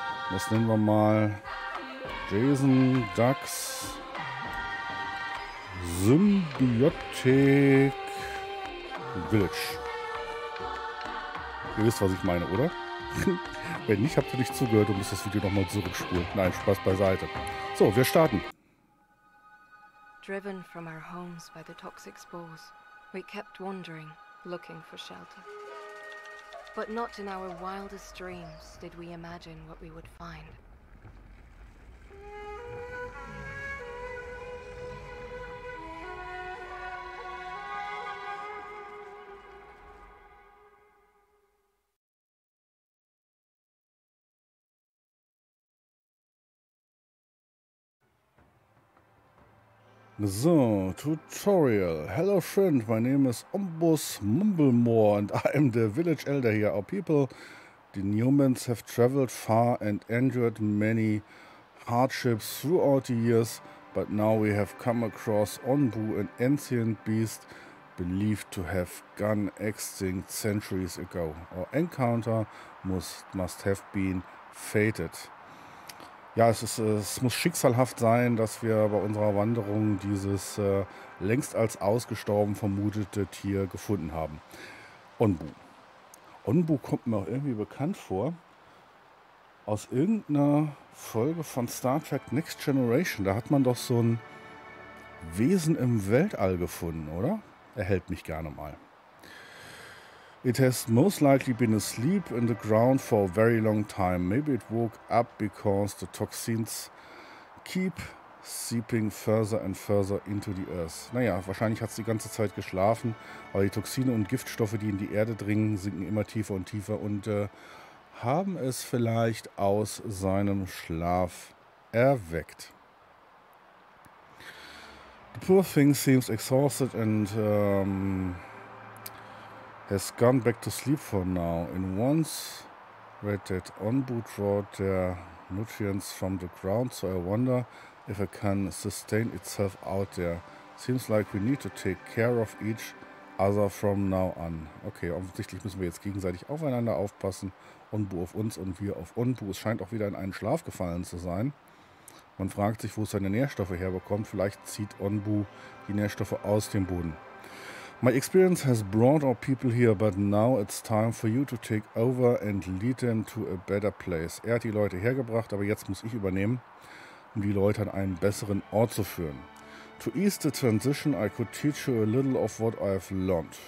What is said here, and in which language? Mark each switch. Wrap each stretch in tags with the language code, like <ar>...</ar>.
<de>Das nennen wir mal Jason Dux Symbiotic Village. Ihr wisst, was ich meine, oder? Wenn nicht, habt ihr nicht zugehört und müsst das Video nochmal zurückspulen. Nein, Spaß beiseite. So, wir starten.</de> <en>Driven from our homes by the toxic spores, we kept wandering, looking for shelter. But not in our wildest dreams did we imagine what we would find.</en> <de>So, Tutorial.</de> <en>Hello friend, my name is Ombus Mumblemore and I am the village elder here. Our people, the Newmans, have traveled far and endured many hardships throughout the years, but now we have come across Onbu, an ancient beast believed to have gone extinct centuries ago. Our encounter must have been fated.</en> <de>Ja, es muss schicksalhaft sein, dass wir bei unserer Wanderung dieses längst als ausgestorben vermutete Tier gefunden haben. Onbu. Onbu kommt mir auch irgendwie bekannt vor. Aus irgendeiner Folge von Star Trek Next Generation. Da hat man doch so ein Wesen im Weltall gefunden, oder? Erhält mich gerne mal.</de> <en>It has most likely been asleep in the ground for a very long time. Maybe it woke up because the toxins keep seeping further and further into the earth.</en> <de>Naja, wahrscheinlich hat es die ganze Zeit geschlafen, aber die Toxine und Giftstoffe, die in die Erde dringen, sinken immer tiefer und tiefer und haben es vielleicht aus seinem Schlaf erweckt.</de> <en>The poor thing seems exhausted and has gone back to sleep for now. In once read that Onbu draw their nutrients from the ground, so I wonder if it can sustain itself out there. Seems like we need to take care of each other from now on.</en> <de>Okay, offensichtlich müssen wir jetzt gegenseitig aufeinander aufpassen. Onbu auf uns und wir auf Onbu. Es scheint auch wieder in einen Schlaf gefallen zu sein. Man fragt sich, wo es seine Nährstoffe herbekommt. Vielleicht zieht Onbu die Nährstoffe aus dem Boden.</de> <en>My experience has brought our people here, but now it's time for you to take over and lead them to a better place.</en> <de>Er hat die Leute hergebracht, aber jetzt muss ich übernehmen, um die Leute an einen besseren Ort zu führen.</de> <en>To ease the transition, I could teach you a little of what I've learned.</en>